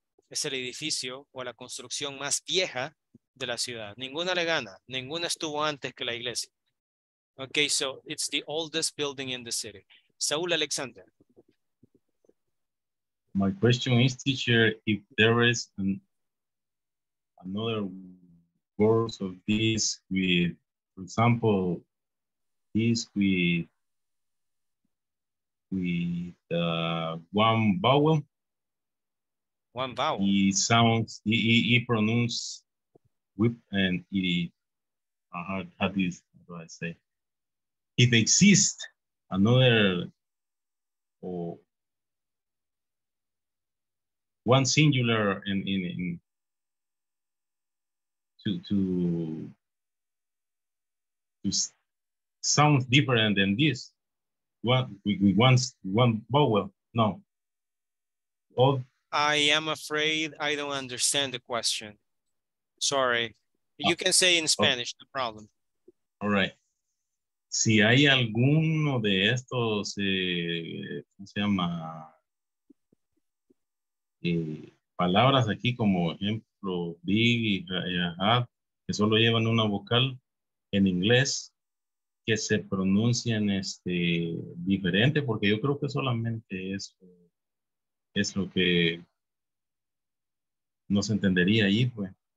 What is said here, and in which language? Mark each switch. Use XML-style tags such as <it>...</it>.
<es>Es el edificio o la construcción más vieja de la ciudad. Ninguna le gana. Ninguna estuvo antes que la iglesia.</es> <en>Okay, so it's the oldest building in the city. Saul Alexander. My question is, teacher, if there is an another words of this with, for example, this with one vowel. One vowel. He sounds, he pronounces whip and it. How do I say? If exists another or one singular in to sound different than this, what we want one vowel? No. Or, I am afraid I don't understand the question. Sorry. You can say in Spanish, no problem. All right.</en> <es>Si hay alguno de estos, ¿cómo se llama? Palabras aquí como ejemplo, big y hard, que solo llevan una vocal en inglés, que se pronuncian diferente, porque yo creo que solamente eso es lo que no se entendería ahí, pues.</es>